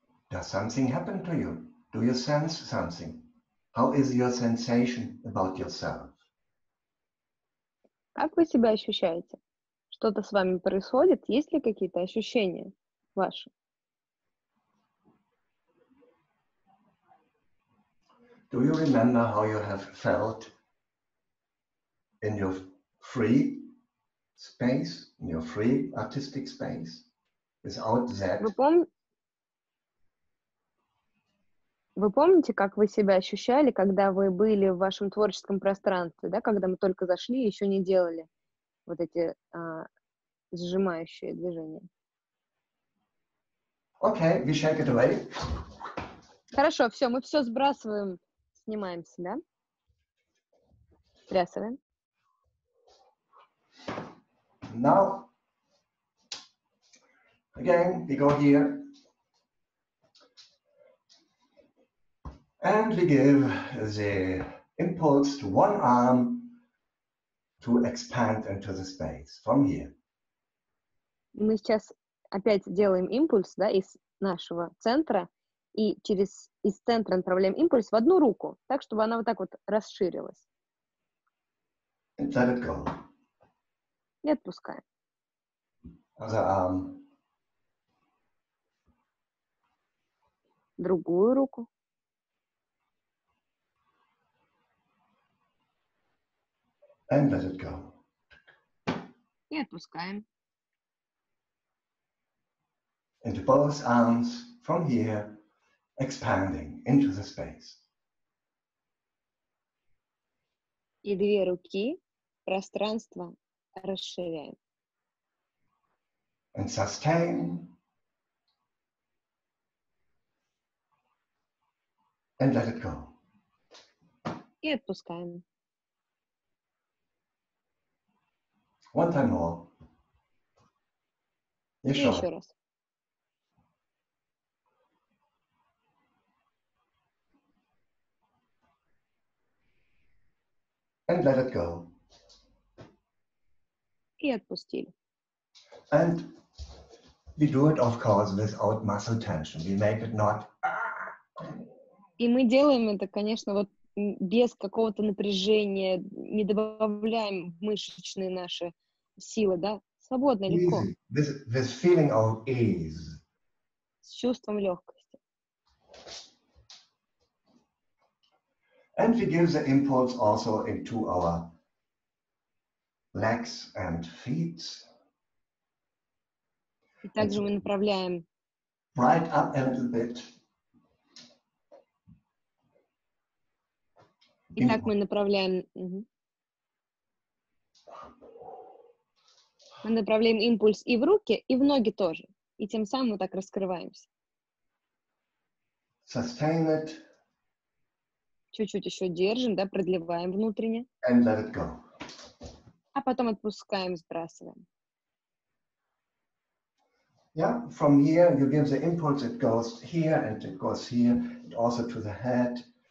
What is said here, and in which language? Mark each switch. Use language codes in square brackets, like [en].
[en] Does something happen to you? Do you sense something? How is your sensation about yourself? [ru] Как вы себя ощущаете? Что-то с вами происходит? Есть ли какие-то ощущения ваши? [en] Do you remember how you have felt in your free space, in your free artistic space, without that. [ru] Вы помните, как вы себя ощущали, когда вы были в вашем творческом пространстве, да, когда мы только зашли и еще не делали вот эти сжимающие движения? [en] Okay, we shake it away. [ru] Хорошо, все, мы все сбрасываем, снимаем себя, стрясываем. [en] Now, again, we go here, and we give the impulse to one arm to expand into the space from here. [ru] Мы сейчас опять делаем импульс, да, из нашего центра, и через из центра направляем импульс в одну руку, так чтобы она вот так вот расширилась. [en] And let it go. [ru] И отпускаем. [en] Other arm. [ru] Другую руку. [en] And let it go. [ru] И отпускаем. [en] Into both arms from here, expanding into the space. [ru] И две руки, пространство. Расширяем. [en] And sustain. And let it go. [ru] И отпускаем. [en] One time more. [ru] Еще, еще раз. [en] And let it go. [ru] И отпустили. [en] And we do it, of course, without muscle tension. We make it not. [ru] И мы делаем это, конечно, вот без какого-то напряжения, не добавляем мышечные наши силы, да? Свободно, легко. [en] This feeling of ease. [ru] С чувством легкости. [en] And we give the impulse also into our legs and feet. [ru] И также мы направляем. [en] Right up a little bit. [ru] И так мы направляем. Мы направляем импульс и в руки, и в ноги тоже. И тем самым мы так раскрываемся. [en] Sustain it. [ru] Чуть-чуть еще держим, да, продлеваем внутренне. [en] And let it go. [ru] А потом отпускаем, сбрасываем. [en] Yeah, from here you give the impulse, it goes here and it goes here, and also to the head.